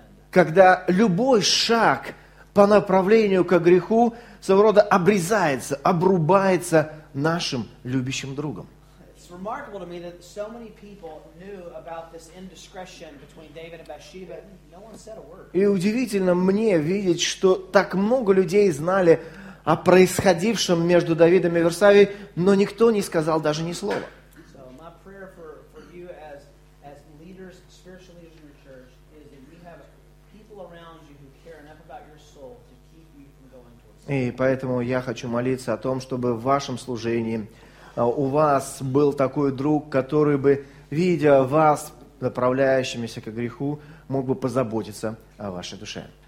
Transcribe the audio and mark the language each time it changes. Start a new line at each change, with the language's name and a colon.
Russian: Когда любой шаг по направлению ко греху своего рода обрезается, обрубается нашим любящим другом.
English: Remarkable to me that so many people knew about this indiscretion between David and Bathsheba. No one said a word.
Russian: И удивительно мне видеть, что так много людей знали о происходившем между Давидом и Версавией, но никто не сказал даже ни слова.
English: So my prayer for you as leaders, spiritual leaders in your church, is that you have people around you who care enough about your soul to keep you from going towards sin.
Russian: И поэтому я хочу молиться о том, чтобы в вашем служении у вас был такой друг, который бы, видя вас, направляющимися ко греху, мог бы позаботиться о вашей душе.